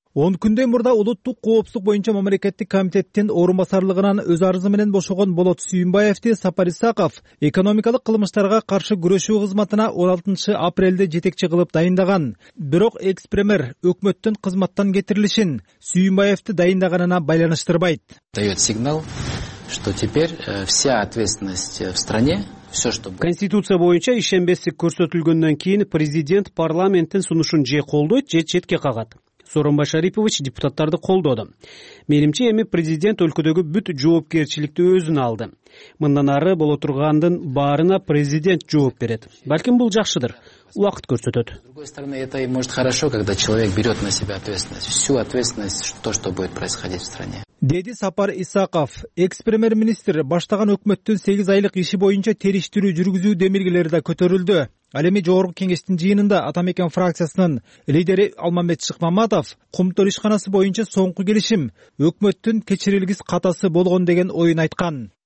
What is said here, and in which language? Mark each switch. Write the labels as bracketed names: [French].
[Kyrgyz] 10 күндөн мурда улуттук коопсуздук боюнча мамлекеттик комитеттин орун басарлыгынан өз арызы менен бошогон Болот Сүйүнбаевди Сапар Исаков экономикалык кылмыштарга каршы күрөшүү кызматына 16 апрелде жетекчи кылып дайындаган. Бирок экс-премьер өкмөттүн кызматтан кетирилишин Сүйүнбаевди дайындаганына байланыштырбайт. [Russian] Дает сигнал, что теперь вся ответственность в стране. [Kyrgyz] Конституция боюнча ишенбестик көрсөтүлгөндөн кийин президент парламенттин сунушун же колдойт, же четке кагат. Сооронбай Шарипович депутаттарды колдоду. Менимче эми президент өлкөдөгү бүт жоопкерчиликти өзүнө алды. Мындан ары боло тургандын баарына президент жооп берет. Балким бул жакшыдыр. Уақыт көрсөтөт. [Russian] С другой стороны, это и может хорошо, когда человек берет на себя ответственность, всю ответственность, то, что будет происходить в стране. [Kyrgyz] Деди Сапар Исаков, экс-премьер-министр, баштаган өкмөттүн 8 айлык иши боюнча териштирүү жүргүзүү демилгелери да көтөрүлдү. Ал эми Жогорку Кеңештин жыйынында Атамекен фракциясынын лидери Алмамбет Шыкмаматов Кумтөр ишканасы боюнча соңку келишим өкмөттүн кечирилгис катасы болгон деген оюн айткан.